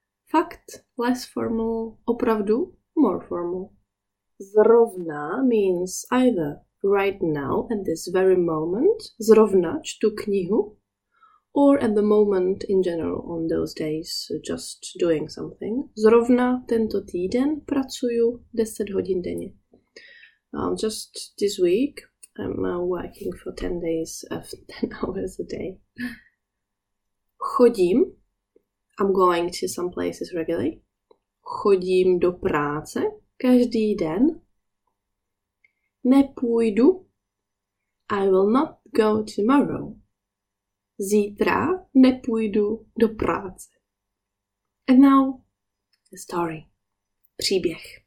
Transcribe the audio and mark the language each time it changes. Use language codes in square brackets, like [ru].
[en] Fakt, less formal, opravdu, more formal. Zrovna means either right now, at this very moment, [cs] zrovna čtu knihu, [en] or at the moment in general, on those days, just doing something. [cs] Zrovna tento týden pracuju 10 hodin denně. [en] Just this week, I'm working for 10 days of 10 hours a day. Chodím. I'm going to some places regularly. [cs] Chodím do práce každý den. [en] Nepůjdu. I will not go tomorrow. [cs] Zítra nepůjdu do práce. [en] And now, the story. [cs] Příběh.